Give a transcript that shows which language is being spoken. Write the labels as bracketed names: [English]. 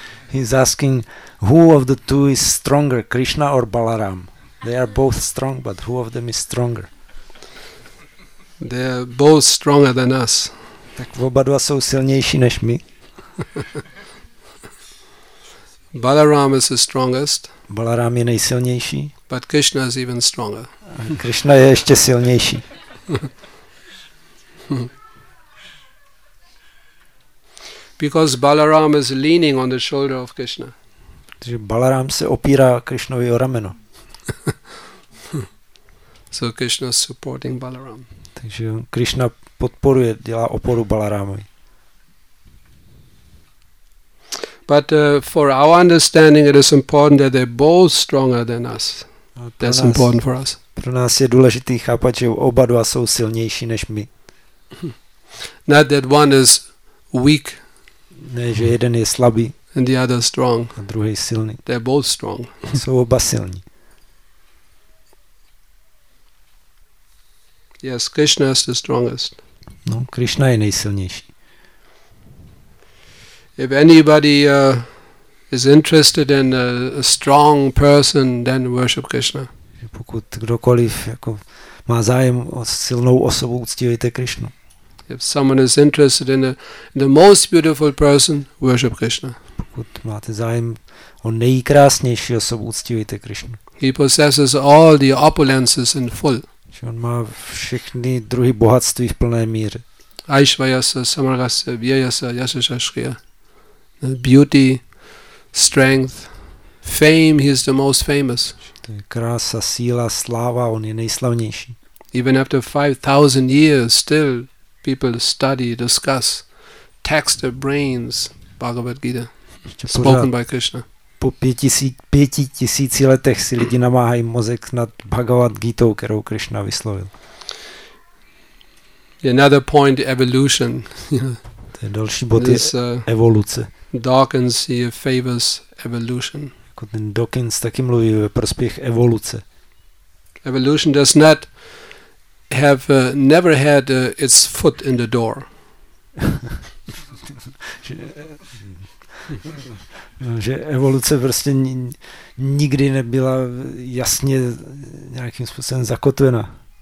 [English] He's asking who of the two is stronger, Krishna or Balaram? They are both strong, but who of them is stronger? They are both stronger than us. [Czech] Tak oba dva jsou silnější než my. [English] Balaram is the strongest. [Czech] Balaram je nejsilnější. [English] But Krishna is even stronger. [Czech] Krishna je ještě silnější. [English] Because Balaram is leaning on the shoulder of Krishna. [Czech] Takže Balaram se opírá Krishnovi o rameno. [English] So Krishna is supporting Balaram. [Czech] Takže Krishna podporuje, dělá oporu Balaramovi. [English] But for our understanding it is important that they're both stronger than us. That's important for us. [Czech] Pro nás je důležité chápat, že oba dva jsou silnější než my. [English] Not that one is weak. [Czech] Ne, že jeden je slabý. [English] And the other strong. [Czech] A druhý silný. [English] They're both strong. [Czech] Jsou oba silní. [English] Yes, Krishna is the strongest. [Czech] No, Krishna je nejsilnější. [English] If anybody is interested in a strong person, then worship Krishna. [Czech] Pokud kdokoliv jako má zájem o silnou osobu, uctívejte Krishnu. [English] If someone is interested in the most beautiful person, worship Krishna. [Czech] Pokud máte zájem o nejkrásnější osobu, uctívejte Krishnu. [English] He possesses all the opulences in full. [Czech] Že on má všechny druhy bohatství v plné míře. [Sanskrit] Aishvayasa, samargasa, vyayasa, yasasa, shriya. [English] Beauty, strength, fame, he is the most famous. [Czech] To je krása, síla, sláva, on je nejslavnější. [English] Even after 5,000 years, still people study, discuss, tax their brains, Bhagavad Gita, spoken by Krishna. [Czech] Po 5,000 letech si lidi namáhají mozek nad Bhagavad Gita, kterou Krishna vyslovil. [English] Another point, evolution. [Czech] To je další bod, je evoluce. [English] Dawkins, he favors evolution. [Czech] Jako ten Dawkins taky mluví ve prospěch evoluce. [English] Evolution does not have never had its foot in the door. [Czech] Že evoluce prostě nikdy nebyla jasně nějakým způsobem zakotvena.